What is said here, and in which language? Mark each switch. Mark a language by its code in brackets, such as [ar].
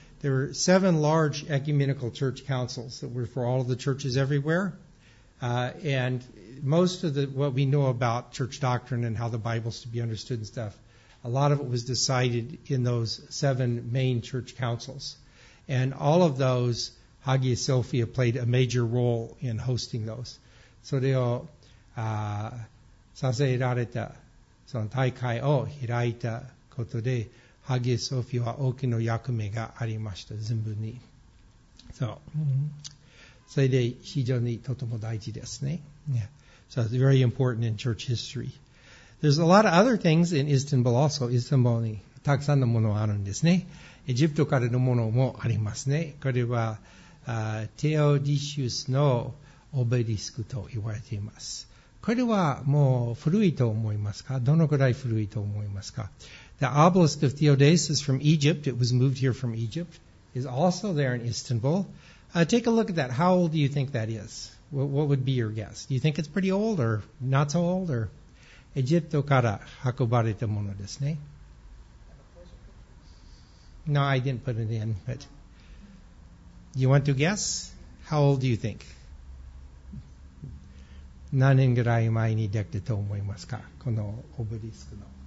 [en] There were seven large ecumenical church councils that were for all of the churches everywhere. And most of what we know about church doctrine and how the Bible is to be understood and stuff, a lot of it was decided in those seven main church councils. And all of those, Hagia Sophia played a major role in hosting those. [ja] それをさせられたその大会を開いたことで、ハギア・ソフィアは大きな役目がありました、全部に。 [en] So, mm-hmm. [ja] それで非常にとても大事ですね。 [en] Yeah. So it's very important in church history. There's a lot of other things in Istanbul also. [ja] Istanbul にたくさんのものがあるんですね。エジプトからのものもありますね。これはテオディシウスのオベリスクと言われています。これはもう古いと思いますか？どのくらい古いと思いますか？ [en] The obelisk of Theodosius from Egypt, it was moved here from Egypt, is also there in Istanbul. Take a look at that. How old do you think that is? What would be your guess? Do you think it's pretty old or not so old? Or? [ja] エジプトから運ばれたものですね。 [en] No, I didn't put it in, but you want to guess? How old do you think? [ja] 何年ぐらい前にできたと思いますか、このオブリスクの。